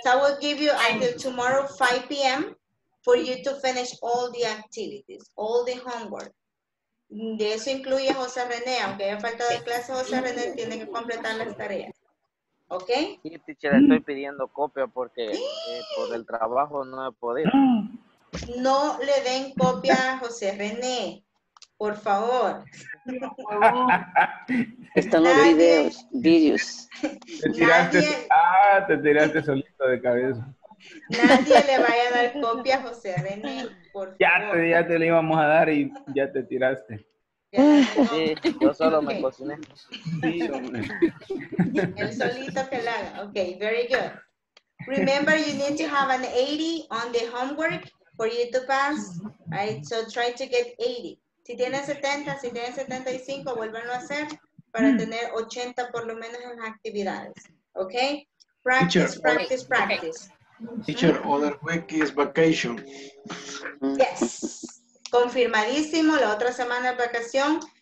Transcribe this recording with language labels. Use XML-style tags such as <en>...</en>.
<en>So I will give you until tomorrow 5 p.m. for you to finish all the activities, all the homework.</en> <es>De eso incluye José René, aunque haya faltado clase, José René tiene que completar las tareas.</es> <en>Okay?</en> <es>Sí, teacher, estoy pidiendo copia porque por el trabajo no he podido. No le den copia a José René. Por favor. Están los videos. Te tiraste solito de cabeza. Nadie le vaya a dar copia a José René, por favor. Ya te le íbamos a dar y ya te tiraste. Sí, yo solo me cociné. El solito que la haga.</es> <en>Okay, very good. Remember, you need to have an 80 on the homework for you to pass, right? So try to get 80.</en> <es>Si tienes 70, si tienes 75, vuélvanlo a hacer para tener 80 por lo menos en las actividades.</es> <en>Okay? Practice, teacher, practice, practice. Okay. Teacher, other week is vacation.</en> <es>Yes. Confirmadísimo, la otra semana de vacación.</es>